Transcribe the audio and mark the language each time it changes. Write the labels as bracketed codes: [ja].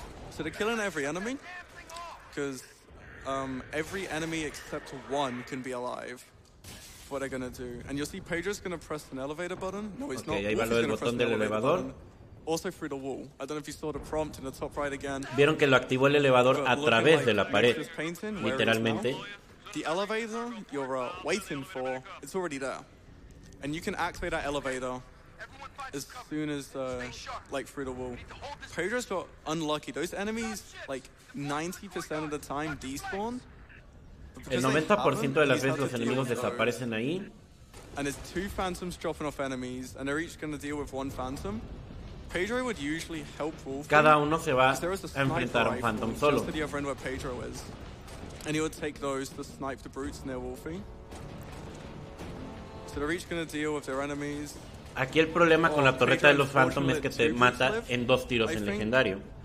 [en] So they're killing every enemy, because every enemy except one can be alive. What they're gonna do, and you'll see Pedro's gonna press an elevator button. No, he's okay, [es] Ahí va lo del botón del elevador. [en] Also through the wall. I don't know if you saw the prompt in the top right again. [es] Vieron que lo activó el elevador a través de la pared, literalmente. [en] The elevator you're waiting for, it's already there, and you can activate that elevator as soon as like through the wall. Pedro's got unlucky. Those enemies like 90% of the time despawn. [es] El 90% de las veces los enemigos desaparecen ahí. [en] And there's two phantoms dropping off enemies, and they're each going to deal with one phantom. Pedro would usually help Wolf. [es] Cada uno se va a enfrentar a un phantom solo. [en] To the other end where Pedro is, and he would take those to snipe the brutes near Wolfie. So they're each going to deal with their enemies. [es] Aquí el problema con la torreta de los phantom es que te mata en dos tiros en legendario.